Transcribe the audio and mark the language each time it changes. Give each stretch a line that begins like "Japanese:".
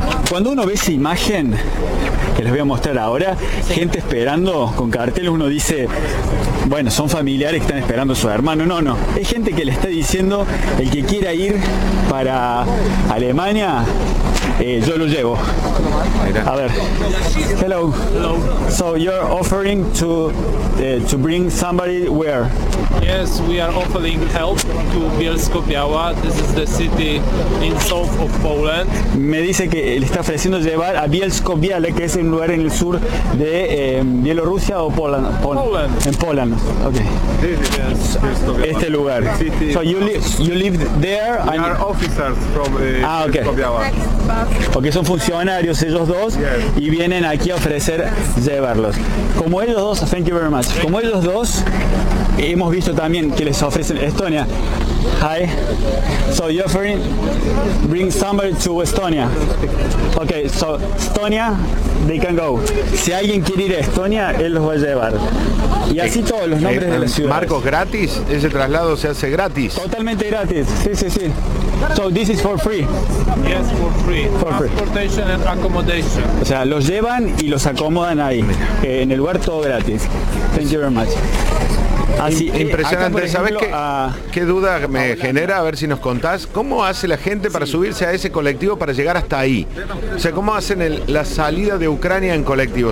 Spanish: Cuando uno ve esa imagen que les voy a mostrar ahora, sí, gente esperando con carteles, uno dice, bueno, son familiares que están esperando a su hermano. No, no, es gente que le está diciendo, el que quiera ir para Alemania, yo lo llevo. A ver.
English: Hello. Hello. So you're offering to bring somebody where? Yes, we are offering help to Bielsko-Biała. This is the city in south of Poland.
Spanish: Me dice que le está ofreciendo llevar a Bielsko-Biała, que es un lugar en el sur de Bielorrusia o Poland.
English: Poland.
Spanish: En Poland. Okay. Este lugar.
English: City. So you live there. We are officers from Bielsko-Biała.
Spanish: Porque son funcionarios ellos dos,
English: yes,
Spanish: y vienen aquí a ofrecer llevarlos. Como ellos dos,
English: thank you very much.
Spanish: Como ellos dos, hemos visto también que les ofrecen Estonia.
English: Hi. So you offering bring somebody to Estonia. Okay, so Estonia, they can go.
Spanish: Si alguien quiere ir a Estonia, él los va a llevar. Y así todos los nombres de la ciudad. Marcos, gratis, ese traslado se hace gratis. Totalmente gratis. Sí.
English: So this is for free. Yes, for free. For transportation free. And accommodation.
Spanish: O sea, los llevan y los acomodan ahí. En el lugar todo gratis.
English: Thank you very much.
Spanish: Así, impresionante. interesante. ¿Sabés qué duda me genera? A ver si nos contás. ¿Cómo hace la gente para subirse a ese colectivo para llegar hasta ahí? O sea, ¿cómo hacen la salida de Ucrania en colectivo?